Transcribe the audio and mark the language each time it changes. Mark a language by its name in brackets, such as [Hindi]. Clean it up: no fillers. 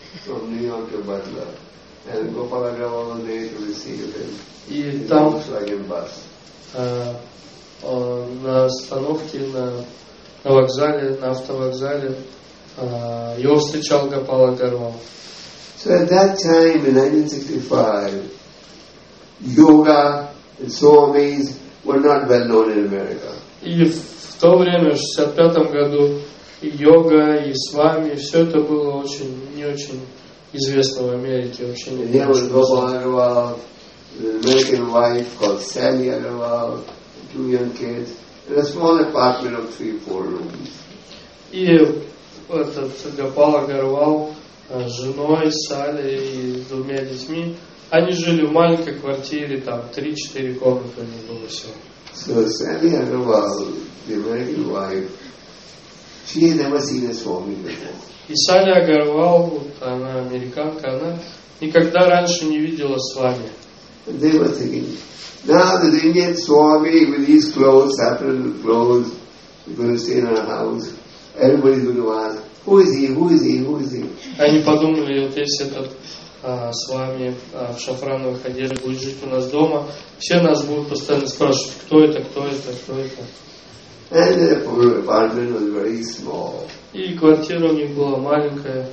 [English] From New York to Butler. And Gopalagrava was there to receive him. [Russian] И там [English] Volkswagen bus. [Russian] На остановке на вокзале, на автовокзале, его встречал Гопала Гарвал. [English] So at that time in 1965, yoga and swamis were not well known in America. [Russian] И в то время, в 65 году, и йога, и свами, все это было очень, не очень известно в Америке. Вообще не [English] here was Gopala Agarwal, an American wife called Sally Agarwal, two young kids, in a small apartment of 3-4 rooms. [Russian] И этот Гопала Агарвал с женой, Салли и двумя детьми, они жили в маленькой квартире, там 3-4 комнаты у них было всего. [English] So Sally Agarwal, the American wife, she had never seen a swami before. [Russian] Sally Agarwal, она американка, она никогда раньше не видела свами. [English] They were thinking, now the Indian swami with his clothes, apron clothes, going to stay in our house. Everybody's going to ask, who is he? Who is he? Who is he? [Russian] Они подумали, вот если этот свами в шафрановых одеждах будет жить у нас дома, все нас будут постоянно спрашивать, кто это, кто это, кто это. [English] And the apartment was very small. [Russian] И квартира у них была маленькая.